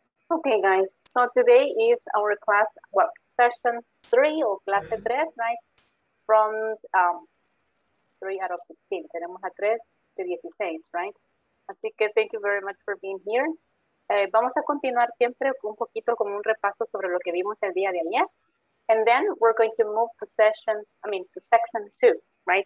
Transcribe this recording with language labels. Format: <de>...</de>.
<en>Okay, guys, so today is our class, well, session 3 or clase 3, right? From 3 out of 16,</en> <es>tenemos a 3 de 16,</es> <en>right?</en> <es>Así que</es> <en>thank you very much for being here.</en> <es>Vamos a continuar siempre un poquito con un repaso sobre lo que vimos el día de ayer.</es> <en>And then we're going to move to section 2, right?</en>